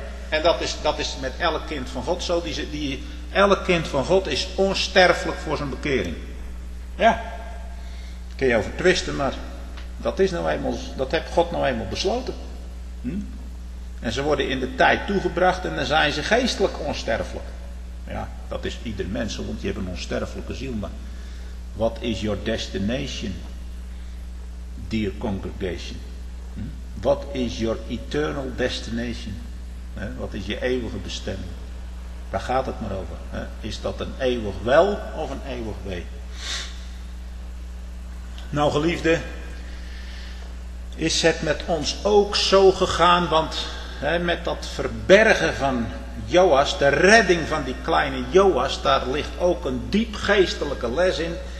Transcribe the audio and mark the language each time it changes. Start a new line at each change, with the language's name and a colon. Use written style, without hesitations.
Dutch: En dat is met elk kind van God zo. Elk kind van God is onsterfelijk voor zijn bekering. Ja. Kun je over twisten, maar dat is nou eenmaal, dat heeft God nou eenmaal besloten. En ze worden in de tijd toegebracht en dan zijn ze geestelijk onsterfelijk. Ja, dat is ieder mens, want je hebt een onsterfelijke ziel. Maar
English: what is your destination, dear congregation? What is your eternal destination?
Dutch: Wat is je eeuwige bestemming? Daar gaat het maar over. Is dat een eeuwig wel of een eeuwig wee? Nou geliefde, is het met ons ook zo gegaan, want met dat verbergen van Joas, de redding van die kleine Joas, daar ligt ook een diep geestelijke les in.